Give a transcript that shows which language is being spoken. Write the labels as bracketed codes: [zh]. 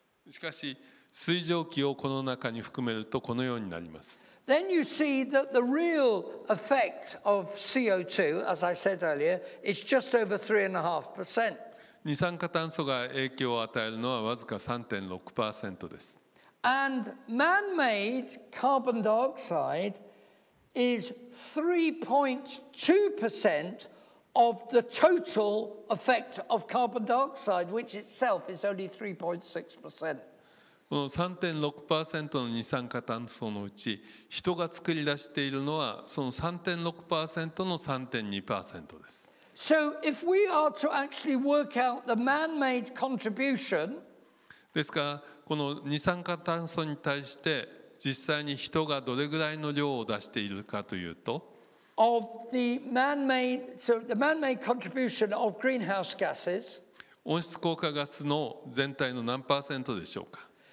[ja] しかし水蒸気をこの中に含めるとこのようになります。二酸化炭素が影響を与えるのはわずか 3.6% です。 [en] And man-made carbon dioxideis 3.2% of the total effect of carbon dioxide, which itself is only 3.6%. [ja] この3.6%の二酸化炭素のうち、人が作り出しているのはその 3.6% の 3.2% です。 [en] So if we are to actually work out the man-made contribution, [ja] ですからこの二酸化炭素に対して実際に人がどれぐらいの量を出しているかというと、温室効果ガスの全体の何パーセントでしょうか。